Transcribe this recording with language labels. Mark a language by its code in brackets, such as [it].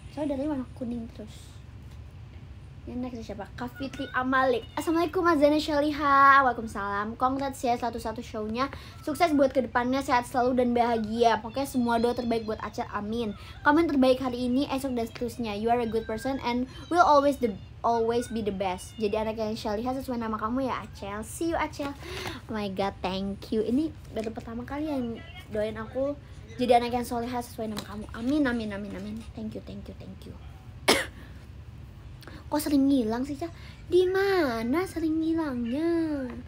[id] Soalnya dari warna kuning terus. Yang next siapa? Kak Fitri Amalik. Assalamualaikum Azana Shaliha. Waalaikumsalam. Congrats ya 1-1 show-nya. Sukses buat kedepannya, sehat selalu dan bahagia. Pokoknya semua doa terbaik buat Acil, amin. Komen terbaik hari ini, esok dan seterusnya. [en] You are a good person and will always always be the best. [id] Jadi anak yang Shaliha sesuai nama kamu ya Acil. [en] See you [id] Acil. [en] Oh my god, thank you. [id] Ini baru pertama kali yang doain aku jadi anak yang Shaliha sesuai nama kamu. Amin, amin, amin, amin. [en] Thank you. [id] Kok sering hilang sih, Cah? Di mana sering hilangnya?